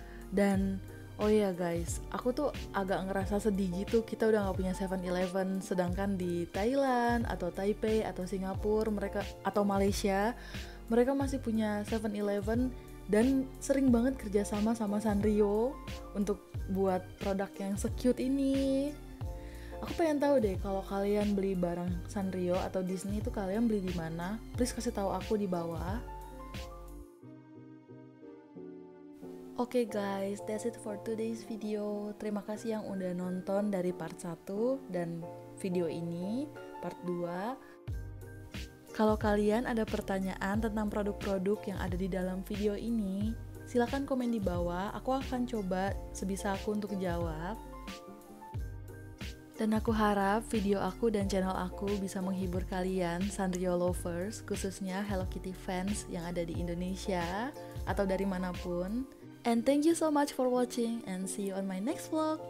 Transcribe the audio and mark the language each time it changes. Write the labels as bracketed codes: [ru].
[id] Dan oh iya guys, aku tuh agak ngerasa sedih gitu, kita udah gak punya 7-Eleven, sedangkan di Thailand atau Taipei atau Singapura mereka, atau Malaysia, mereka masih punya 7-Eleven dan sering banget kerjasama sama Sanrio untuk buat produk yang secute ini. Aku pengen tahu deh, kalau kalian beli barang Sanrio atau Disney itu kalian beli di mana? Please kasih tahu aku di bawah. [en] Okay guys, that's it for today's video. [id] Terima kasih yang udah nonton dari part 1 dan video ini part 2. Kalau kalian ada pertanyaan tentang produk-produk yang ada di dalam video ini, silakan komen di bawah. Aku akan coba sebisa aku untuk jawab. Dan aku harap video aku dan channel aku bisa menghibur kalian, Sanrio lovers, khususnya Hello Kitty fans yang ada di Indonesia atau dari manapun. [en] And thank you so much for watching and see you on my next vlog.